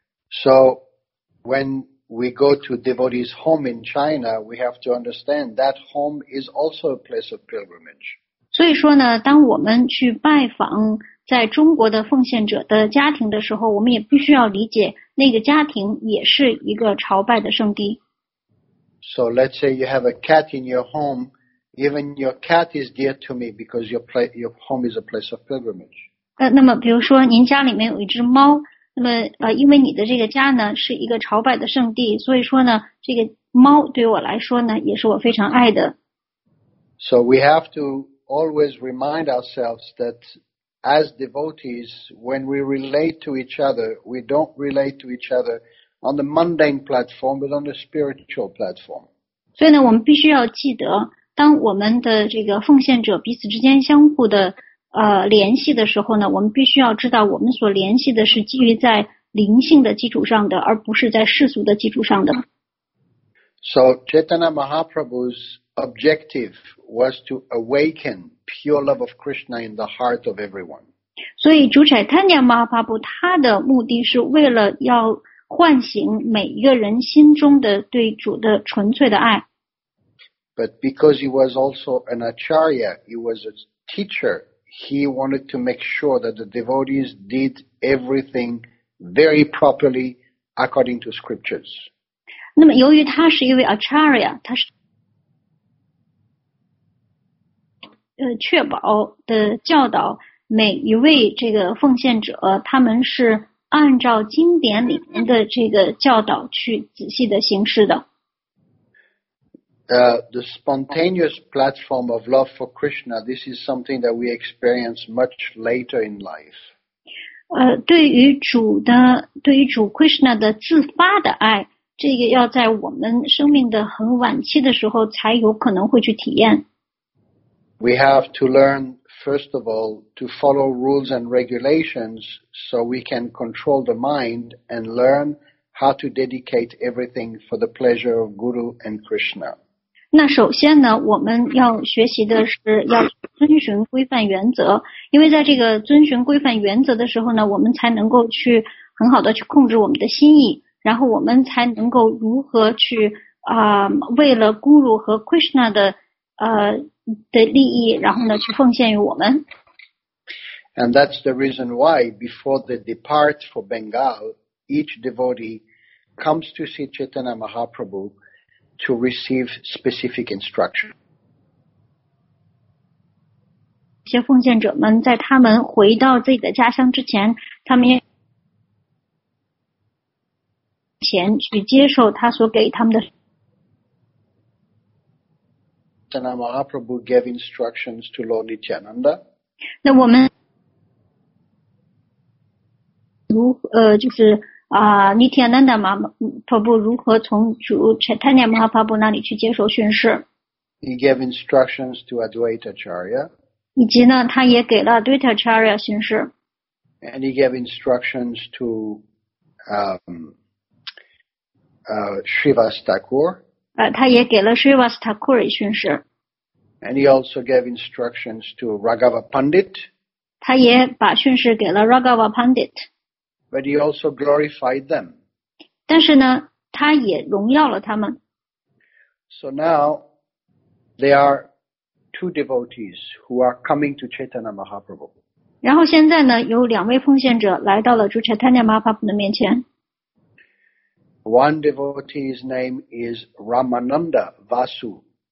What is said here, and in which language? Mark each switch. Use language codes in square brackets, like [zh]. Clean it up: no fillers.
[en] So when we go to devotee's home in China, we have to understand that home is also a place of pilgrimage. [zh] 所以说呢，当我们去拜访在中国的奉献者的家庭的时候，我们也必须要理解那个家庭也是一个朝拜的圣地。 [en] So let's say you have a cat in your home, even your cat is dear to me because your home is a place of pilgrimage. [zh] 那么比如说您家里面有一只猫，那么因为你的这个家呢是一个朝拜的圣地，所以说呢这个猫对我来说呢也是我非常爱的。 [en] So we have to always remind ourselves thatAs devotees, when we relate to each other, we don't relate to each other on the mundane platform, but on the spiritual platform. [zh] 所以呢，我们必须要记得，当我们的这个奉献者彼此之间相互的联系的时候呢，我们必须要知道，我们所联系的是基于在灵性的基础上的，而不是在世俗的基础上的。 [en] So Chaitanya Mahaprabhu's objective was to awaken. Pure love of Krishna in the heart of everyone. [zh] 所以主柴坦尼亚马哈巴布他的目的是为了要唤醒每一个人心中的对主的纯粹的爱。 [en] But because he was also an acharya, he was a teacher, he wanted to make sure that the devotees did everything very properly according to scriptures. [zh] 那么由于他是一位 acharya, 他是确保的教导每一位这个奉献者，他们是按照经典里面的这个教导去仔细的行事的。 [en] The spontaneous platform of love for Krishna, this is something that we experience much later in life. [zh] 对于主 Krishna 的自发的爱，这个要在我们生命的很晚期的时候才有可能会去体验。 [en] We have to learn, first of all, to follow rules and regulations so we can control the mind and learn how to dedicate everything for the pleasure of Guru and Krishna. [zh] 那首先呢，我们要学习的是要遵循规范原则，因为在这个遵循规范原则的时候呢，我们才能够去很好的去控制我们的心意，然后我们才能够如何去为了 Guru 和 Krishna 的的利益，然后呢去奉献于我们。 [en] And that's the reason why before they depart for Bengal, each devotee comes to see Chaitanya Mahaprabhu to receive specific instruction. [zh] 一些奉献者们在他们回到自己的家乡之前，他们前去接受他所给他们的。 [en] Chaitanya Mahaprabhu gave instructions to Lord Nityananda. [zh] 那我们如就是Nityananda Mahaprabhu 如何从主 Chaitanya Mahaprabhu 那里去接受训示。 [en] He gave instructions to Advaita Acharya. [zh] 以及呢，他也给了 Advaita Acharya 训示。 [en] And he gave instructions to Srivas Thakur. [zh] 他也给了 Srivas Thakur 训示。 [en] And he also gave instructions to Raghava Pandit. [zh] 他也把训示给了 Raghava Pandit. [en] but he also glorified them. [zh] 但是呢，他也荣耀了他们。 [en] So now, there are two devotees who are coming to Chaitanya Mahaprabhu. [zh] 然后现在呢，有两位奉献者来到了主 Chaitanya Mahaprabhu 的面前。 [en] One devotee's name is Ramananda Vasu.